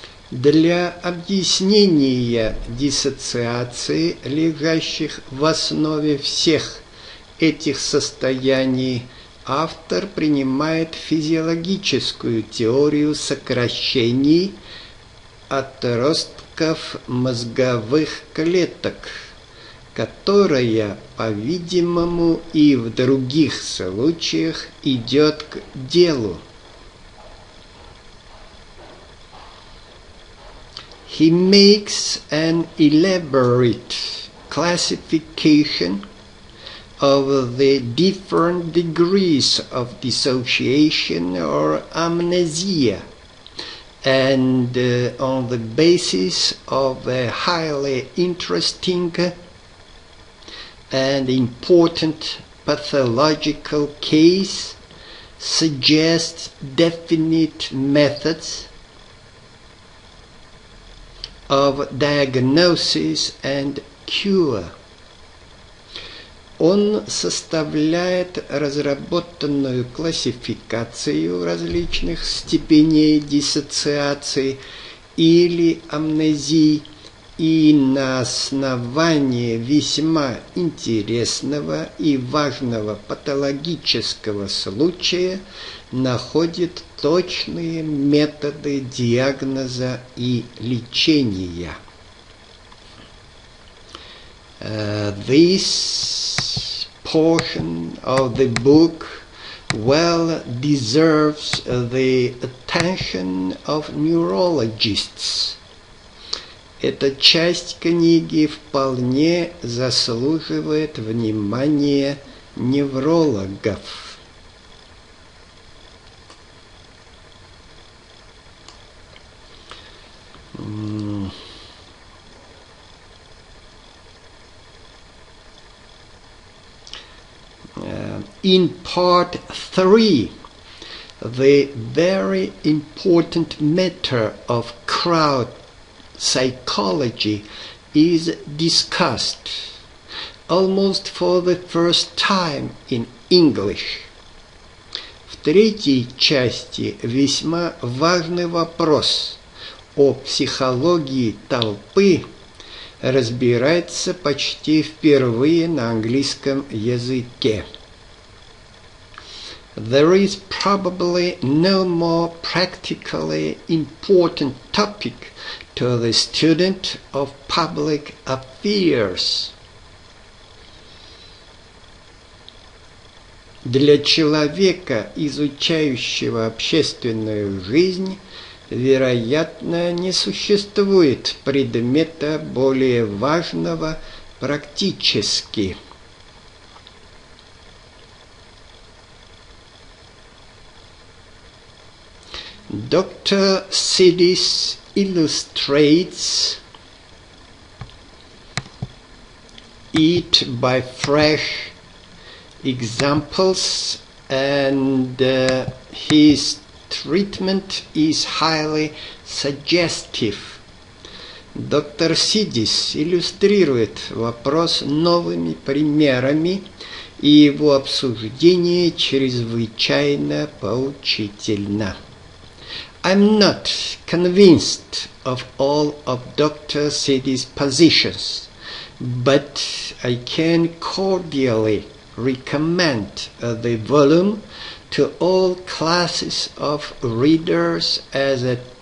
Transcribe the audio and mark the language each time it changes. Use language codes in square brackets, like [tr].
[ru] Для объяснения диссоциации, лежащих в основе всех этих состояний, автор принимает физиологическую теорию сокращений отростков мозговых клеток, которая, по-видимому, и в других случаях идет к делу. [en] He makes an elaborate classification of the different degrees of dissociation or amnesia, and on the basis of a highly interesting and important pathological case, suggests definite methods of diagnosis and cure. [ru] Он составляет разработанную классификацию различных степеней диссоциации или амнезии и на основании весьма интересного и важного патологического случая находит точные методы диагноза и лечения. [en] This portion of the book well deserves the attention of neurologists. [ru] Эта часть книги вполне заслуживает внимания неврологов. [en] in part 3 the very important matter of crowd psychology is discussed almost for the first time in English. [ru] В третьей части весьма важный вопрос о психологии толпы разбирается почти впервые на английском языке. [en] There is probably no more practically important topic to the student of public affairs. [ru] Для человека, изучающего общественную жизнь, вероятно, не существует предмета более важного практически. [en] Dr. Sidis illustrates it by fresh examples, and his treatment is highly suggestive. [ru] Доктор Сидис иллюстрирует вопрос новыми примерами, и его обсуждение чрезвычайно поучительно. [en] I'm not convinced of all of Dr. Sidis's positions, but I can cordially recommend the volume to all classes of readers as a